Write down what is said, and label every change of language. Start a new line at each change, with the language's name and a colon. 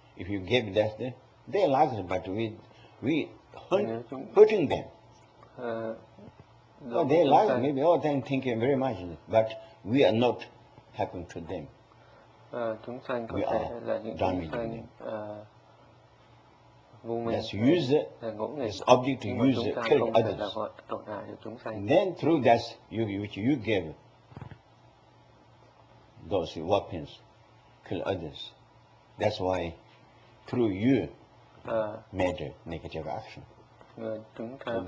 English: If you give that, they like it, but we hurting them. Well, they like it, maybe, oh, thank you very much, but we are not happen to them.
Vietnamese: Chúng sanh có thể là những chúng sanh vô minh.
English: Let's use it. It's object to use it, kill others. Then through that, which you gave those weapons, kill others. That's why through you made a negative action. So